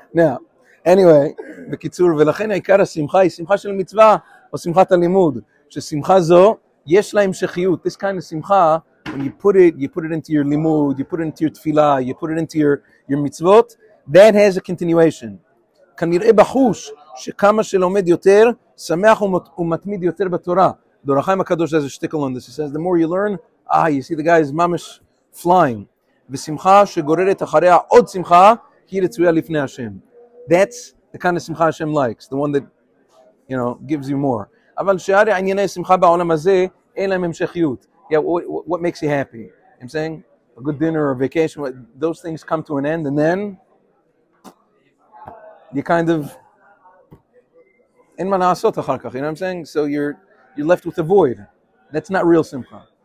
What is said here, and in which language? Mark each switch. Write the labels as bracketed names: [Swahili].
[Hebrew] Now, anyway, בקיצור, ולכן העיקר השמחה היא שמחה של מצווה או שמחת הלימוד, ששמחה זו יש לה המשכיות. [English] This kind of simcha, when you put it into your limud, you put it into your tefillah, you put it into your mitzvot, that has a continuation. [Hebrew] כנראה בחוש שכמה שלומד יותר, שמח ומתמיד יותר בתורה. דורחיים הקדוש הזה שטיקל [English] on this. He says, the more you learn, you see the guy is ממש flying. [Hebrew] ושמחה שגוררת אחריה עוד שמחה, היא רצויה לפני השם. [English] That's the kind of שמחה השם likes, the one that, gives you more. [Hebrew] אבל שערי ענייני שמחה בעולם הזה, אין להם המשכיות. [English] Yeah, what makes you happy? I'm saying, a good dinner or vacation, those things come to an end, and then you kind of in manasot [Hebrew] achar kach, [English] you know what I'm saying? So you're left with a void. That's not real simcha.